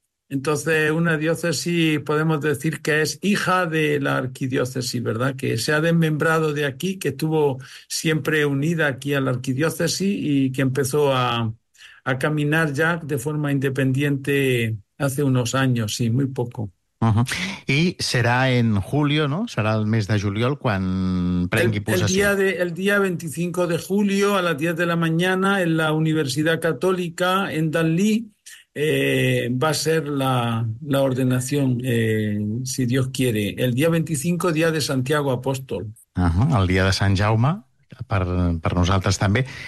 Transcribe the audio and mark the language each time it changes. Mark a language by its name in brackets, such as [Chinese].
[Spanish] Entonces, una diócesis podemos decir que es hija de la arquidiócesis, ¿verdad? Que se ha desmembrado de aquí, que estuvo siempre unida aquí a la arquidiócesis y que empezó a caminar ya de forma independiente hace unos años, sí, muy poco. Uh-huh. Y será en julio, ¿no? [Catalan] Será el mes de juliol quan prengui possessió. [Spanish] El día 25 de julio a las 10 de la mañana en la Universidad Católica en Danlí va a ser la ordenación, si Dios quiere. El día 25, día de Santiago Apóstol. [Catalan] Uh-huh. El día de Sant Jaume. Per nosaltres també.